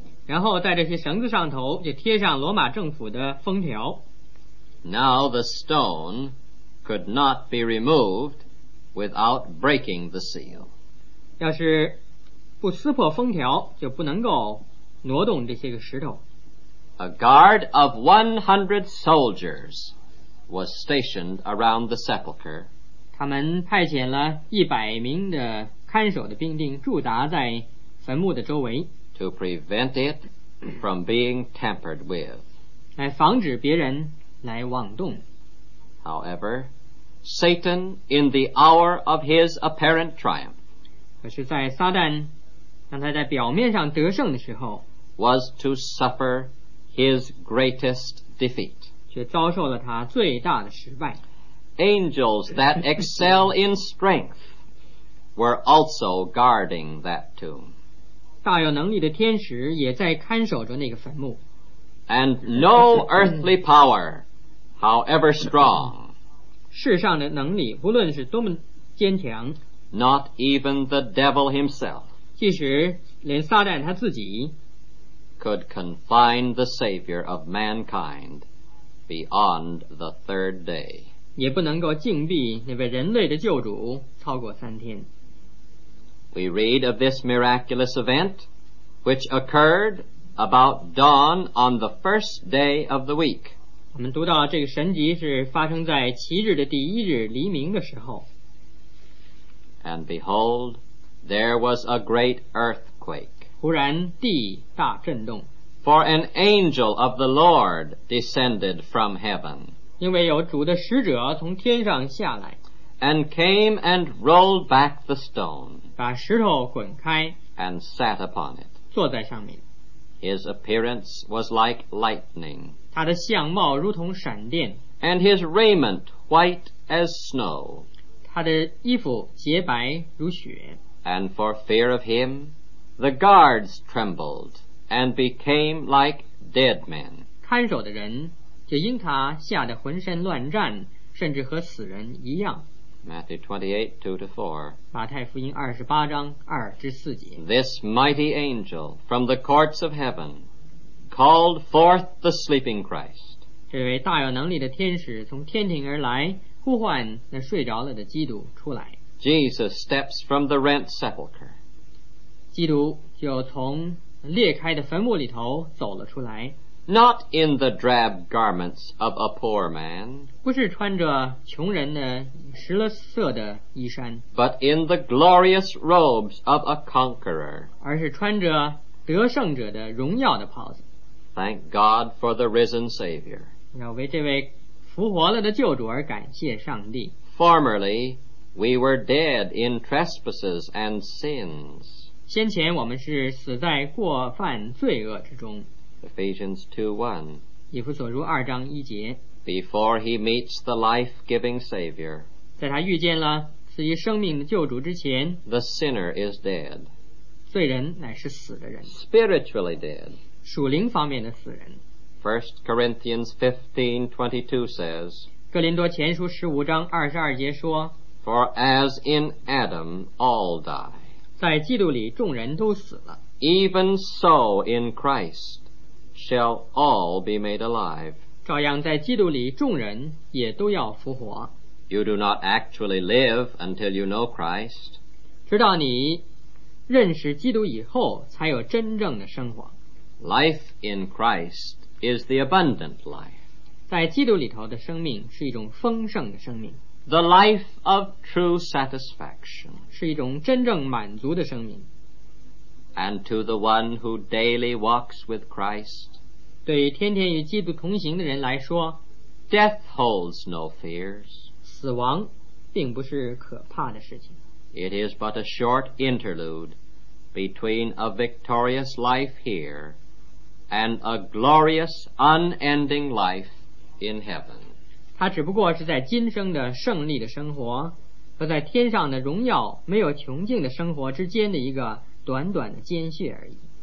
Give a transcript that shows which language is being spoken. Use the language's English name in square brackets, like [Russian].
[Chinese] 然后在这些绳子上头就贴上罗马政府的封条。 [English] Now the stone could not be removed without breaking the seal. [Chinese] 要是不撕破封条，就不能够挪动这些个石头。 [English] A guard of 100 soldiers was stationed around the sepulchre. [Chinese] 他们派遣了100名的看守的兵丁驻扎在坟墓的周围。 [English] To prevent it from being tampered with. [Chinese] 来防止别人来妄动。 [English] However, Satan in the hour of his apparent triumph. [Chinese] 可是在撒旦当他在表面上得胜的时候 [English] ，was to suffer his greatest defeat， [Chinese] 却遭受了他最大的失败。 [English] Angels that excel in strength were also guarding that tomb， [Chinese] 大有能力的天使也在看守着那个坟墓。 [English] And no earthly power, however strong， [Chinese] 世上的能力无论是多么坚强 [English] ，not even the devil himself。 [Chinese] 即使连撒旦他自己 [English] could confine the Savior of mankind beyond the third day， [Chinese] 也不能够禁闭那位人类的救主超过三天。 [English] We read of this miraculous event which occurred about dawn on the first day of the week， [Chinese] 我们读到这个神迹是发生在七日的第一日黎明的时候。 [English] And behold，there was a great earthquake. [Chinese] 忽然地大震动。 [English] For an angel of the Lord descended from heaven. [Chinese] 因为有主的使者从天上下来。 [English] And came and rolled back the stone. [Chinese] 把石头滚开。 [English] And sat upon it. [Chinese] 坐在上面。 [English] His appearance was like lightning. [Chinese] 他的相貌如同闪电。 [English] And his raiment white as snow. [Chinese] 他的衣服洁白如雪。 [English] And for fear of him, the guards trembled and became like dead men. [Chinese] 看守的人就因他吓得浑身乱颤，甚至和死人一样。 [English] Matthew 28:2-4. [Chinese] 马太福音二十八章二至四节。 [English] This mighty angel from the courts of heaven called forth the sleeping Christ. [Chinese] 这位大有能力的天使从天庭而来，呼唤那睡着了的基督出来。 [English] Jesus steps from the rent sepulchre. [Chinese] 基督就从裂开的坟墓里头走了出来。 [English] Not in the drab garments of a poor man. [Chinese] 不是穿着穷人的石了色的衣衫。 [English] But in the glorious robes of a conqueror. [Chinese] 而是穿着得胜者的荣耀的袍子。 [English] Thank God for the risen Savior. [Chinese] 要为这位复活了的救主而感谢上帝。 [English] Formerly,We were dead in trespasses and sins. [Chinese] 先前我们是死在过犯罪恶之中。 [English] Ephesians 2:1. [Chinese] 以弗所书二章一节。 [English] Before he meets the life-giving Savior. [Chinese] 在他遇见了赐予生命的救主之前。 [English] The sinner is dead. [Chinese] 罪人乃是死的人。 [English] Spiritually dead. [Chinese] 属灵方面的死人。 [English] 1 Corinthians 15:22 says. [Chinese] 哥林多前书十五章二十二节说。 [English] For as in Adam all die， [Chinese] 在基督里众人都死了。 [English] Even so in Christ shall all be made alive， [Chinese] 照样在基督里众人也都要复活。 [English] You do not actually live until you know Christ， [Chinese] 直到你认识基督以后才有真正的生活。 [English] Life in Christ is the abundant life， [Chinese] 在基督里头的生命是一种丰盛的生命。 [English] The life of true satisfaction [Chinese] 是一种真正满足的生命。 [English] And to the one who daily walks with Christ， [Chinese] 对于天天与基督同行的人来说， [English] Death holds no fears， [Chinese] 死亡并不是可怕的事情。 [English] It is but a short interlude between a victorious life here and a glorious unending life in heaven， [Chinese] 他只不过是在今生的胜利的生活和在天上的荣耀没有穷尽的生活之间的一个短短的间隙而已。